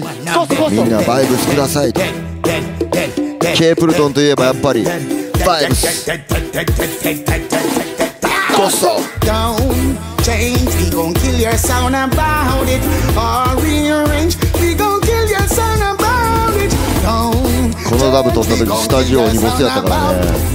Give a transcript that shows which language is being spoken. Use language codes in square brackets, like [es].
[ja] みんなバイブスください。ケープルトンといえばやっぱりバイブス。どうぞ。 [en] Don't change, we gon' kill your sound about it. All rearrange, we gon' kill your sound about it. [ja] このダブ撮った時スタジオにボスやったからね。